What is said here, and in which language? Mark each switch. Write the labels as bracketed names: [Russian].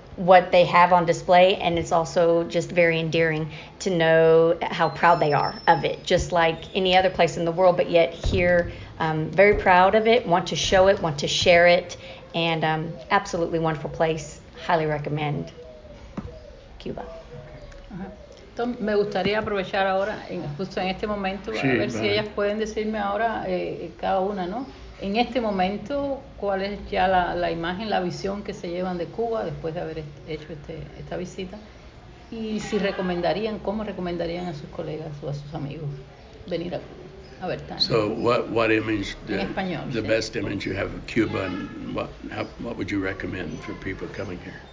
[English] what they have on display, and it's also just very endearing to know how proud they are of it, just like any other place in the world, but yet here, very proud of it, want to show it, want to share it, and absolutely wonderful place. Highly recommend Cuba. [Spanish] Entonces, me gustaría aprovechar ahora, justo en este momento, sí, a ver si ellas pueden decirme ahora, cada una, ¿no? En este momento, ¿cuál es ya la imagen, la visión que se llevan de Cuba después de haber hecho esta visita? Y si recomendarían, ¿cómo recomendarían a sus colegas o a sus amigos venir a Cuba? A ver, Tania. [English] So, what image, the best image you have of Cuba, and what would you recommend for people coming here?